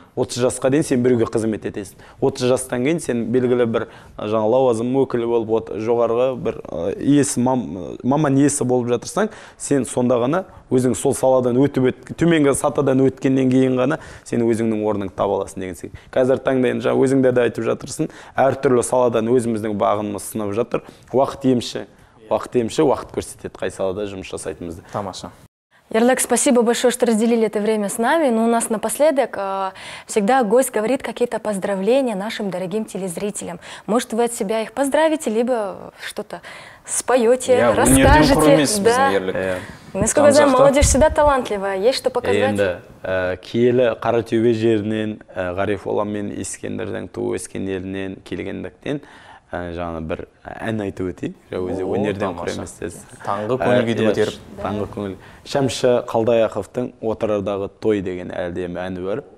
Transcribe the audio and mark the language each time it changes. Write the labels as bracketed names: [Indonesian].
[Kazakh] 30 жасқа дейін сен біреуге қызмет етесің. 30 жастан кейін сен белгілі бір жаңа лауазым өкілі болып, жоғарғы бір маман иесі болып жатырсаң, сен сонда ғана өзің сол саладан өтіп, төменгі сатыдан өткеннен кейін ғана сен өзіңнің орның таба аласың деген сияқты. Қазір таңда енді өзіңде де айтып жатырсың, әртүрлі саладан өзіміздің бағымыз сынып жатыр. Уақыт емші, уақыт көрсетеді қай салада жұмыс жасайтынымызды. Тамаша. [Russian] Ерлік, спасибо большое, что разделили это время с нами. Но у нас напоследок всегда гость говорит какие-то поздравления нашим дорогим телезрителям. Может, вы от себя их поздравите, либо что-то споете, расскажете. [Kazakh] Я унердюк кормесі біздің, Ерлік. [Russian] Насколько я знаю, молодежь всегда талантливая. Есть что показать? [Kazakh] Енді, киелі Қаратөбе жерінен, Ғариф Олам мен Ескендірдің туу ескендерінен келгендіктен, жаңа бір ән айтып өтейін, өзі өнерден құрамасыз. Таңғы көңілгейді өтеріп. Таңғы көңіл. Шәмші Қалдаяқовтың «Отырардағы той» деген әлдемі әні бар.